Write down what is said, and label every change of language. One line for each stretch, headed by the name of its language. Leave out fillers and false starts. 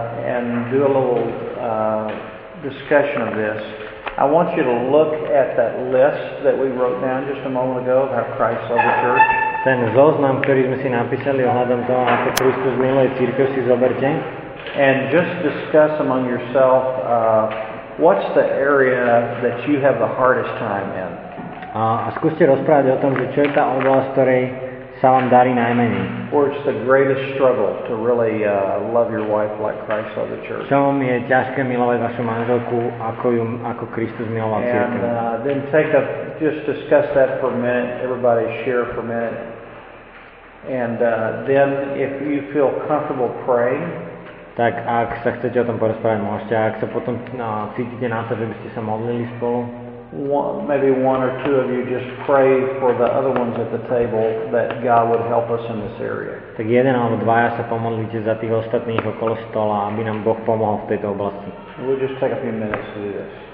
English: And do a little discussion of this. I want you to look at that list that we wrote down just a moment ago of how Christ loved the church.
Slovak: Ten zoznam, ktorý sme si napísali ohľadom toho, ako Kristus miluje cirkev, si zoberte.
English: And just discuss among yourself what's the area that you have the hardest time in.
Slovak: A skúste rozprávať o tom, že čo je tá oblasť, ktorej sa vám darí najmenej.
English: What's the greatest struggle to really love your wife like Christ loved the church.
Slovak: Čo vám je ťažké milovať vašu manželku, ako Kristus miloval cirkev.
English: And then just discuss that for a minute, everybody share for a minute. And then if you feel comfortable praying,
Slovak: tak ak sa chcete o tom porozprávať, môžete, ak sa potom cítite na to, že by ste sa modlili spolu.
English: Maybe one or two of you just pray for the other ones at the table that God would help us in this area.
Slovak: Tak jeden alebo dvaja sa pomodlite za tých ostatných okolo stola, aby nám Boh pomohol v tejto oblasti.
English: We'll just take a few minutes to do this.